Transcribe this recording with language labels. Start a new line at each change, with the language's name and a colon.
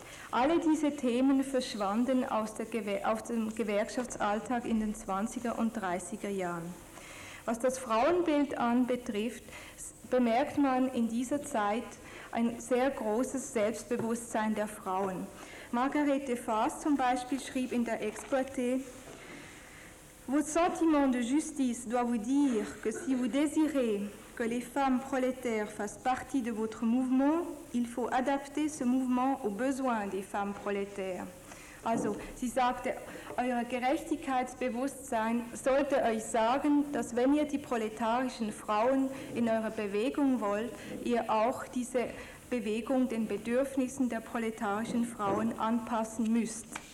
German: Alle diese Themen verschwanden aus dem Gewerkschaftsalltag in den 20er und 30er Jahren. Was das Frauenbild anbetrifft, bemerkt man in dieser Zeit ein sehr großes Selbstbewusstsein der Frauen. Margarete Faas zum Beispiel schrieb in der Exploité:
French: Votre sentiment de justice doit vous dire que si vous désirez que les femmes prolétaires fassent partie de votre mouvement, il faut adapter ce mouvement aux besoins des femmes prolétaires.
German: Also, sie sagte, euer Gerechtigkeitsbewusstsein sollte euch sagen, dass wenn ihr die proletarischen Frauen in eurer Bewegung wollt, ihr auch diese Bewegung den Bedürfnissen der proletarischen Frauen anpassen müsst.